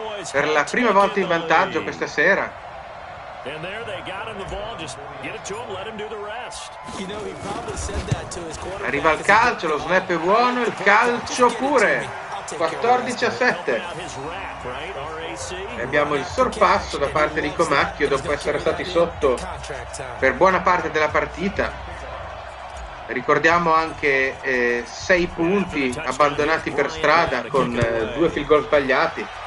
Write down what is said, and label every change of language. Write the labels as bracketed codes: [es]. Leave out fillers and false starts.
[it] Per la prima volta in vantaggio questa sera. [en] And there they got him the ball, just get it to him, let him do the rest. You know, he probably said that to his quarterback. [it] Arriva il calcio, lo snap è buono, il calcio pure. 14-7. Abbiamo il sorpasso da parte di Comacchio dopo essere stati sotto per buona parte della partita. Ricordiamo anche 6 punti abbandonati per strada con 2 field goal sbagliati.